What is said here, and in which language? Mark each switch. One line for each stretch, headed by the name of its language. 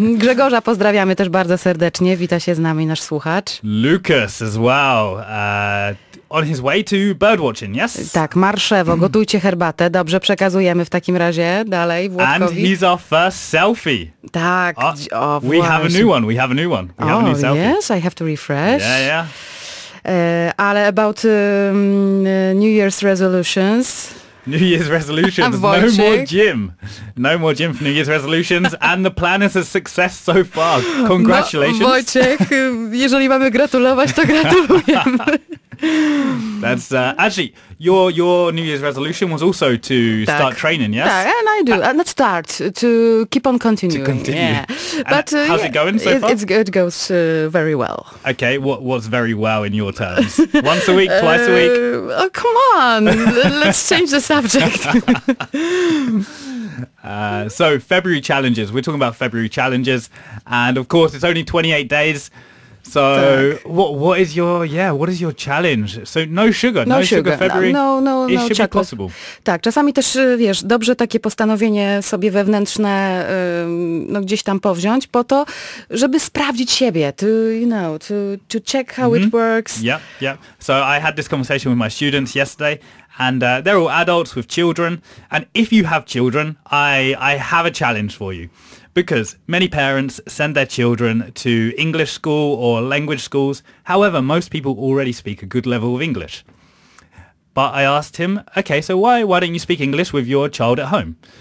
Polish: Grzegorza pozdrawiamy też bardzo serdecznie. Wita się z nami nasz słuchacz.
English: Lucas as well. On his way to birdwatching, yes?
Polish: Tak, marszewo, gotujcie herbatę. Dobrze, przekazujemy w takim razie dalej Włodkowi.
English: And he's our first selfie.
Polish: Tak,
English: We have a new one, we have a new one. We have a new selfie. Yes, I have to refresh. Yeah, yeah.
Polish: Ale
English: about New Year's resolutions. New Year's resolutions, no more gym. No more gym for New Year's resolutions and the plan is a success so far. Congratulations.
Polish: No, Wojciech, jeżeli mamy gratulować, to gratulujemy.
English: That's actually your New Year's resolution was also to
Polish: tak.
English: start training, yes? Yeah, and I do. And let's start to keep on continuing. To continue. Yeah. But how's it going so far? It goes very well. Okay, what's very well in your terms? Once a week, twice a week? Oh, come on. Let's change the subject. So February challenges. We're talking about February challenges, and of course it's only 28 days. So
Polish: tak.
English: what is your what is your challenge? So no sugar February. No, it should be possible.
Polish: Tak, czasami też wiesz, dobrze takie postanowienie sobie wewnętrzne no gdzieś tam powziąć po to, żeby sprawdzić siebie,
English: to check how it works. Yeah. So I had this conversation with my students yesterday and they're all adults with children, and if you have children, I have a challenge for you. Because many parents send their children to English school or language schools. However, most people already speak a good level of English. But I asked him, okay, so why don't you speak English with your child at home?